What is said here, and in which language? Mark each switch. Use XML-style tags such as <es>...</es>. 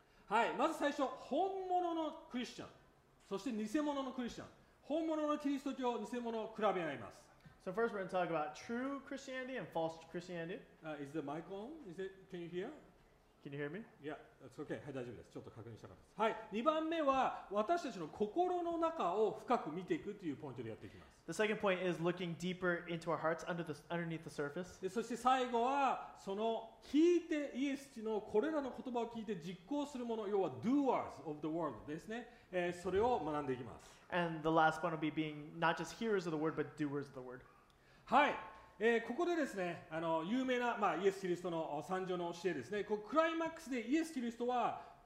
<ja>はい、まず最初、本物のクリスチャン、そして偽物のクリスチャン。本物のキリスト教、偽物を比べ合います。</ja> <en>So first we're going to talk about true Christianity and false Christianity. Is the mic on? Can you hear? Can you hear me? Yeah, that's okay.</en> <ja>はい、大丈夫です。ちょっと確認したかったです。はい、2番目は私たちの心の中を深く見ていくというポイントでやっていきます。</ja> <en>The second point is looking deeper into our hearts underneath the surface.</en> <ja>で、そして最後はその聞いてイエスのこれらの言葉を聞いて実行するもの、要は</ja> <en>doers of the world</en> <ja>ですね。それを学んでいきます。</ja> <en>And the last point will be being not just hearers of the word, but doers of the word.</en> <ja>はい。ここでですね、有名な、まあ、イエス・キリストの三条の教えですね、こうクライマックスでイエス・キリストは、</ja>